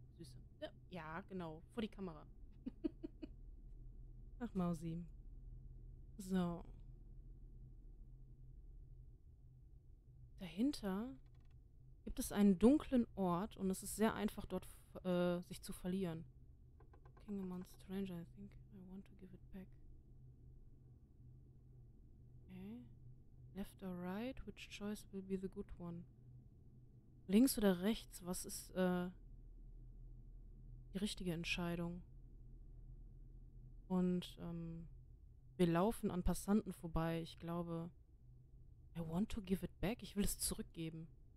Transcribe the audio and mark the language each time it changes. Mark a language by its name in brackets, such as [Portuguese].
[German] Süße. Ja, genau. Vor die Kamera. Ach, Mausi. So. Dahinter gibt es einen dunklen Ort und es ist sehr einfach, dort sich zu verlieren. [English] King among strangers, I think. I want to give it back. Okay. Left or right? Which choice will be the good one? [German] Links oder rechts? Was ist die richtige Entscheidung? Und wir laufen an Passanten vorbei. Ich glaube, [English] I want to give it back. [German] Ich will es zurückgeben.